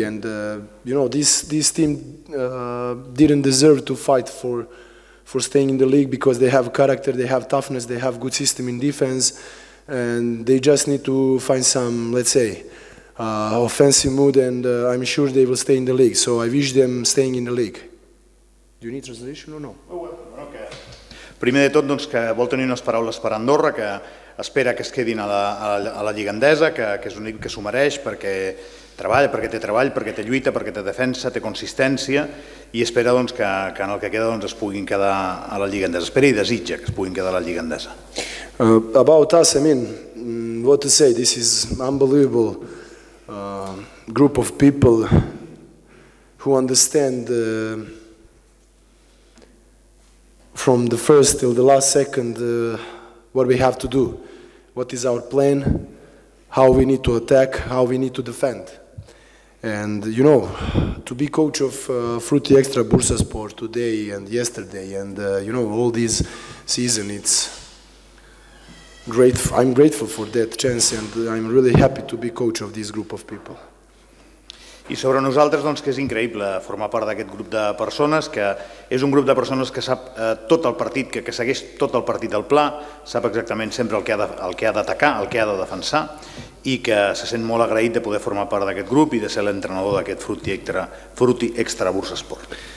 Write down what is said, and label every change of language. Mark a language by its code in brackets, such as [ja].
[en] And, you know, this team didn't deserve to fight for staying in the league because they have character, they have toughness, they have good system in defense, and they just need to find some, let's say, offensive mood, and I'm sure they will stay in the league. So I wish them staying in the league. Do you need translation or no? Okay. [ca] Primer de tot, doncs, que vol tenir unes paraules per Andorra, que espera que es quedin a la Lliga Endesa, que és un equip que s'ho mereix perquè treballa, perquè té treball, perquè té lluita, perquè té defensa, té consistència, i espera, doncs, que en el que queda, doncs, es puguin quedar a la Lliga Endesa. Espera i desitja que es puguin quedar a la Lliga Endesa. [en] About us, I mean, what to say, this is unbelievable group of people who understand from the first till the last second what we have to do, what is our plan, how we need to attack, how we need to defend. And, you know, to be coach of Fruity Extra Bursaspor today and yesterday and, you know, all this season, it's great. I'm grateful for that chance and I'm really happy to be coach of this group of people. [ca] I sobre nosaltres, doncs, que és increïble formar part d'aquest grup de persones, que és un grup de persones que sap tot el partit, que segueix tot el partit del pla, sap exactament sempre el que ha d'atacar, el que ha de defensar, i que se sent molt agraït de poder formar part d'aquest grup i de ser l'entrenador d'aquest Fruity Extra Bursaspor.